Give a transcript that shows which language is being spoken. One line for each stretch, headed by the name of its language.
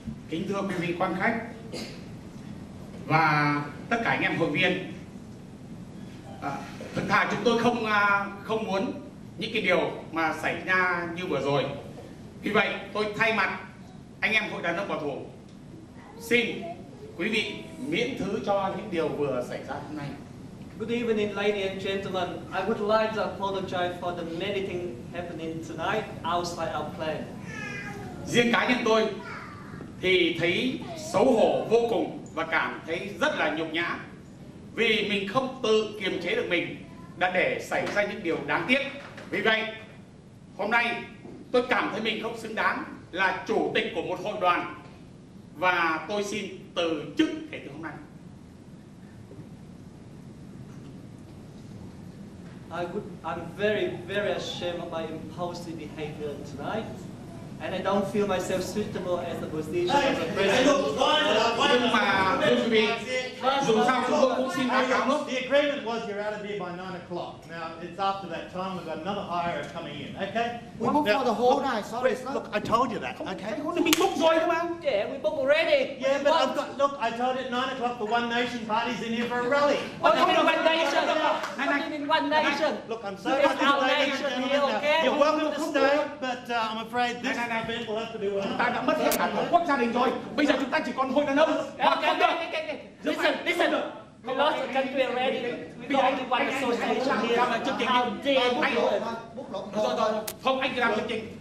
Vietnamese: Kính thưa quý vị quan khách và tất cả anh em hội viên, thật thà chúng tôi không muốn những cái điều mà xảy ra như vừa rồi. Vì vậy tôi thay mặt anh em hội đàn ông bảo thủ xin quý vị miễn thứ cho những điều vừa xảy ra hôm nay.
English: Good evening, ladies and gentlemen. I would like to apologize for the many things happening tonight outside our plan.
Vietnamese: Riêng cá nhân tôi thì thấy xấu hổ vô cùng và cảm thấy rất là nhục nhã vì mình không tự kiềm chế được mình đã để xảy ra những điều đáng tiếc. Vì vậy, hôm nay tôi cảm thấy mình không xứng đáng là chủ tịch của một hội đoàn và tôi xin từ chức kể từ hôm nay.
English: I'm very, very ashamed of my impulsive behavior tonight, and I don't feel myself suitable as a position of the president.
Vietnamese: Nhưng mà quý vị, dù sao chúng tôi cũng xin báo cáo lúc.
English: The agreement was you're out of here by 9 o'clock. Now, it's after that time, we've got another hire coming in, okay? We booked for the whole night, sorry. Look, I told you that, okay? We booked
Vietnamese: rồi mà.
English: Yeah, we booked already. Yeah, but I've got, look, I told you at 9 o'clock, the One Nation party's in here for a rally. What do you mean, One Nation? Look, I'm sorry, ladies and gentlemen. You're welcome to stay, but I'm afraid this event will have to be one.
Vietnamese: Chúng ta đã mất hết cả tổ quốc gia đình rồi. Bây giờ chúng ta chỉ còn hội đàn ông.
English: Listen. We lost the country already. We don't want to association here.
Vietnamese: Làm chương trình.
English: How dare you?
Vietnamese: Rồi. Không, anh làm chương trình.